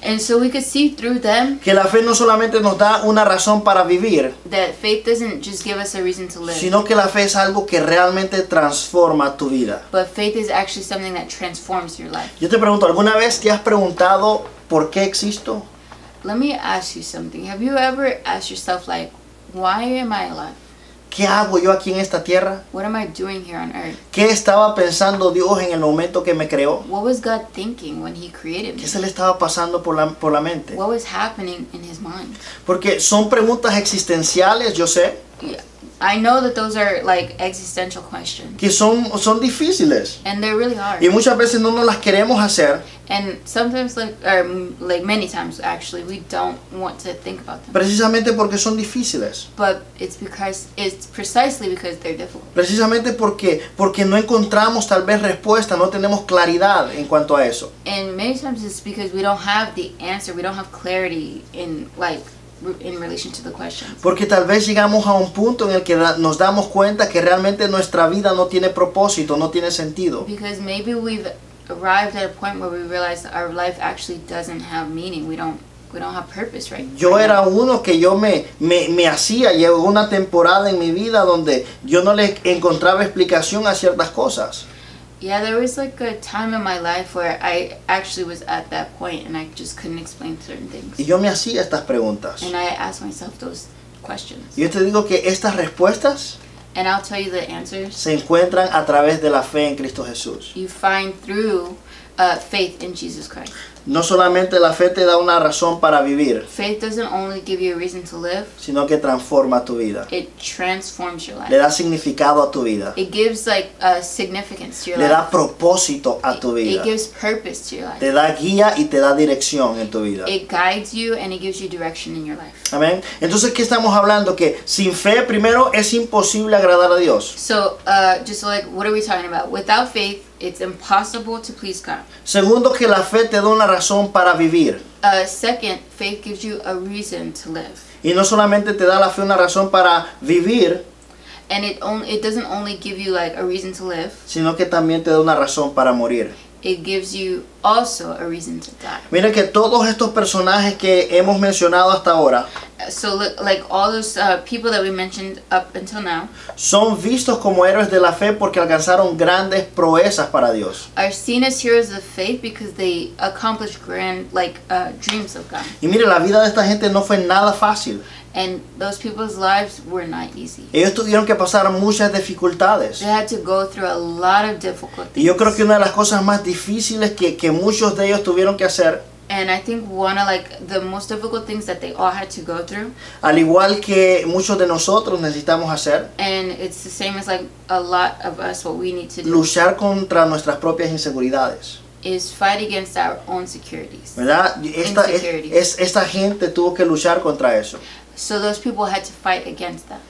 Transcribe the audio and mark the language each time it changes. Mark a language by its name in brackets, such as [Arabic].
[English] And so we could see through them. [Spanish] Que la fe no solamente nos da una razón para vivir. [English] That faith doesn't just give us a reason to live. [Spanish] Sino que la fe es algo que realmente transforma tu vida. [English] But faith is actually something that transforms your life. [Spanish] Yo te pregunto, ¿alguna vez te has preguntado por qué existo? [English] Let me ask you something. Have you ever asked yourself like, why am I alive? [Spanish] ¿Qué hago yo aquí en esta tierra? [English] What am I doing here on earth? [Spanish] ¿Qué estaba pensando Dios en el momento que me creó? [English] What was God thinking when he created me? [Spanish] ¿Qué se le estaba pasando por la mente? [English] What was happening in his mind? [Spanish] Porque son preguntas existenciales, yo sé. [English] Yeah, I know that those are like existential questions. [Spanish] Que son difíciles. [English] And they're really hard. [Spanish] Y muchas veces no nos las queremos hacer. [English] And sometimes, like many times, actually, we don't want to think about them. [Spanish] Precisamente porque son difíciles. [English] But it's precisely because they're difficult. [Spanish] Precisamente porque no encontramos tal vez respuesta, no tenemos claridad en cuanto a eso. [English] And many times it's because we don't have the answer, we don't have clarity in relation to the questions. [Spanish] Porque tal vez llegamos a un punto en el que nos damos cuenta que realmente nuestra vida no tiene propósito, no tiene sentido. [English] Because maybe we've arrived at a point where we realize that our life actually doesn't have meaning. We don't have purpose, right? [Spanish] Yo era uno que yo me hacía, llevo una temporada en mi vida donde yo no le encontraba explicación a ciertas cosas. [English] Yeah, there was like a time in my life where I actually was at that point and I just couldn't explain certain things. [Spanish] Y yo me hacía estas preguntas. [English] And I asked myself those questions. [Spanish] Yo te digo que estas respuestas. [English] And I'll tell you the answers. [Spanish] Se encuentran a través de la fe en Cristo Jesús. [English] You find through faith in Jesus Christ. [Spanish] No solamente la fe te da una razón para vivir. [English] Faith doesn't only give you a reason to live. [Spanish] Sino que transforma tu vida. [English] It transforms your life. [Spanish] Le da significado a tu vida. [English] It gives like a significance to your [Spanish] Le [English] life. [Spanish] Le da propósito a tu vida. [English] It gives purpose to your life. [Spanish] Te da guía y te da dirección en tu vida. [English] It guides you and it gives you direction in your life. [Spanish] Amén. Entonces, ¿qué estamos hablando? Que sin fe, primero, es imposible agradar a Dios. [English] So, just like, what are we talking about? Without faith, it's impossible to please God. [Spanish] Segundo, que la fe te da una razón para vivir. [English] Second, faith gives you a reason to live. [Spanish] Y no solamente te da la fe una razón para vivir. [English] And it doesn't only give you like a reason to live. [Spanish] Sino que también te da una razón para morir. [English] It gives you also a reason to die. [Spanish] Mira que todos estos personajes que hemos mencionado hasta ahora. [English] So look, like all those people that we mentioned up until now. [Spanish] Son vistos como héroes de la fe porque alcanzaron grandes proezas para Dios. [English] Are seen as heroes of faith because they accomplished grand dreams of God. [Spanish] Y mira, la vida de esta gente no fue nada fácil. [English] And those people's lives were not easy. [Spanish] Ellos tuvieron que pasar muchas dificultades. [English] They had to go through a lot of difficulties. [Spanish] Y yo creo que una de las cosas más difíciles que muchos de ellos tuvieron que hacer. [English] And I think one of like the most difficult things that they all had to go through. [Spanish] Al igual que muchos de nosotros necesitamos hacer. [English] And it's the same as like a lot of us what we need to do. [Spanish] Luchar contra nuestras propias inseguridades. [English] Is fight against our own securities. [Spanish] ¿Verdad? Esta gente tuvo que luchar contra eso. [English] So those people had to fight against that.